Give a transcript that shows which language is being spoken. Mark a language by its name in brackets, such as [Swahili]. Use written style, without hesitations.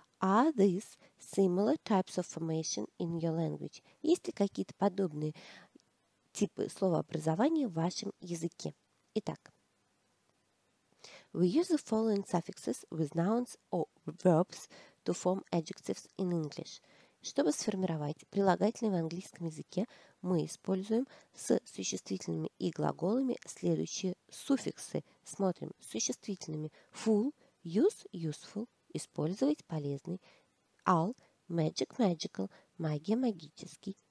[English] Are these similar types of formation in your language? [Russian] Есть ли какие-то подобные типы слова образования в вашем языке? Итак. [English] We use the following suffixes with nouns or verbs to form adjectives in English. [Russian] Чтобы сформировать прилагательные в английском языке, мы используем с существительными и глаголами следующие суффиксы. Смотрим. Существительными. Full – use – useful – использовать полезный. All – magic – magical – магия – магический.